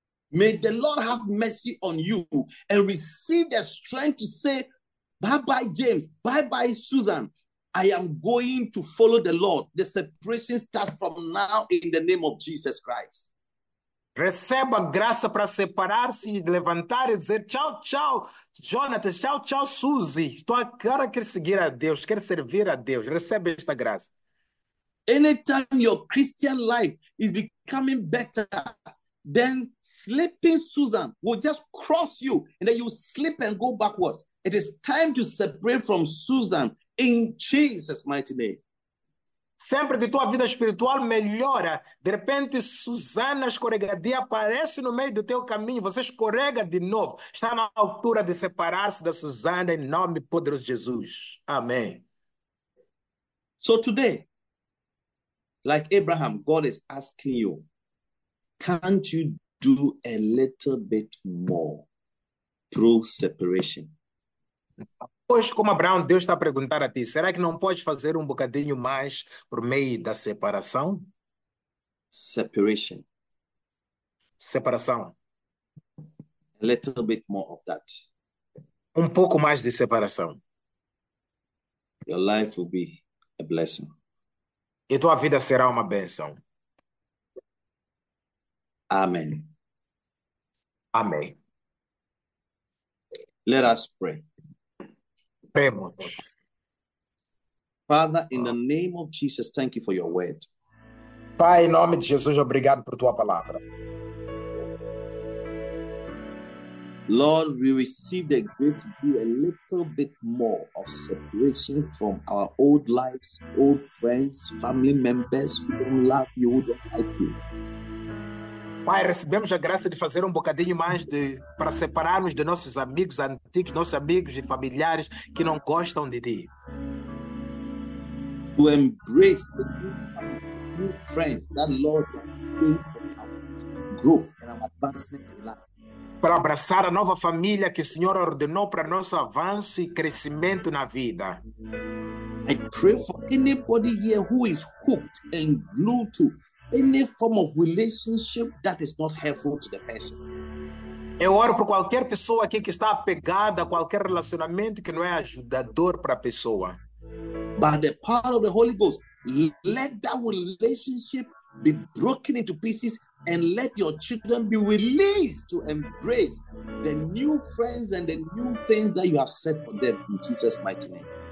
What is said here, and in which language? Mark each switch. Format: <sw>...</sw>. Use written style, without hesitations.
<en>May the Lord have mercy on you and receive the strength to say, bye-bye, James, bye-bye, Susan. I am going to follow the Lord. The separation starts from now in the name of Jesus Christ.</en> <pt>Receba a graça para separar-se, levantar e dizer tchau, tchau, Jonatas, tchau, tchau, Suzy. Estou agora a querer seguir a Deus, quero servir a Deus. Recebe esta graça.</pt> <en>Anytime your Christian life is becoming better, then sleeping Susan will just cross you and then you slip and go backwards. It is time to separate from Susan in Jesus' mighty name.</en> <pt>Sempre que tua vida espiritual melhora, de repente Susana escorregadia aparece no meio do teu caminho, você escorrega de novo. Está na altura de separar-se da Susana em nome poderoso de Jesus. Amém.</pt> <en>So today, like Abraham, God is asking you, can't you do a little bit more through separation?</en> <pt>Pois, como Abraão, Deus está a perguntar a ti, será que não podes fazer um bocadinho mais por meio da separação?</pt> <en>Separation.</en> <pt>Separação.</pt> <en>Little bit more of that.</en> <pt>Um pouco mais de separação.</pt> <en>Your life will be a blessing.</en> <pt>E tua vida será uma bênção.</pt> <en>Amen.</en> <pt>Amém.</pt> <en>Let us pray.</en> <pt>Oremos.</pt> <en>Father, in the name of Jesus, thank you for your word.</en> <pt>Pai, em nome de Jesus, obrigado por tua palavra.</pt> <en>Lord, we receive the grace to do a little bit more of separation from our old lives, old friends, family members who don't love you, who don't like you.</en> <pt>Pai, recebemos a graça de fazer um bocadinho mais para separarmos de nossos amigos antigos, nossos amigos e familiares que não gostam de ti.</pt> <en>To embrace the new family, new friends that Lord has ordained for our growth and our advancement in life.</en> <pt>Para abraçar a nova família que o Senhor ordenou para nosso avanço e crescimento na vida.</pt> <en>I pray for anybody here who is hooked and glued to any form of relationship that is not helpful to the person.</en> <pt>Eu oro por qualquer pessoa aqui que está apegada a qualquer relacionamento que não é ajudador para a pessoa.</pt> <en>By the power of the Holy Ghost, let that relationship be broken into pieces and let your children be released to embrace the new friends and the new things that you have set for them in Jesus' mighty name.</en>